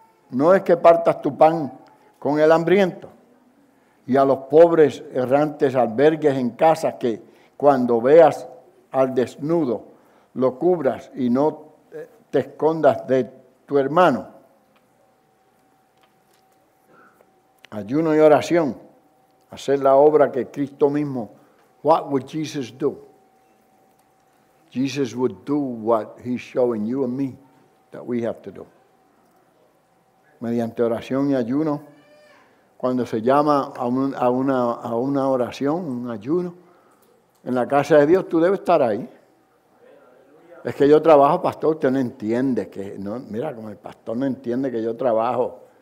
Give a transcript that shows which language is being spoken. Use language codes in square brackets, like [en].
[es] ¿No es que partas tu pan con el hambriento y a los pobres errantes albergues en casa, que cuando veas al desnudo lo cubras y no te escondas de tu hermano? Ayuno y oración, hacer la obra que Cristo mismo. [en] What would Jesus do? Jesus would do what he's showing you and me that we have to do. [es] Mediante oración y ayuno, cuando se llama a una oración, un ayuno, en la casa de Dios tú debes estar ahí. Es que yo trabajo, pastor, usted no entiende que, no, mira, como el pastor no entiende que yo trabajo.